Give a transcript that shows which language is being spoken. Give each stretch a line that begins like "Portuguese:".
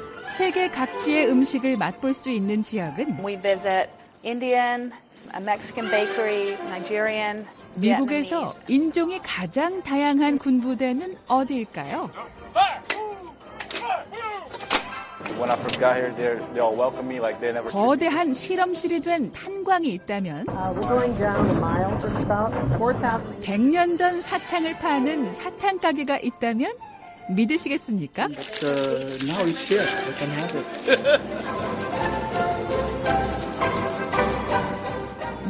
Korean: 세계 각지의 음식을 맛볼 수 있는 지역은
English: We visit Indian, a Mexican bakery, Nigerian,
Korean: 미국에서 인종이 가장 다양한 군부대는 어디일까요?
English: When I first got here, they all welcomed me like they never.
Korean: 거대한 실험실이 된 탄광이 있다면.
English: We're going down a mile, just about 4,000.
Korean: 100년 전 사탕을 파는 사탕 가게가 있다면 믿으시겠습니까?
English: Now it's here. We can have it.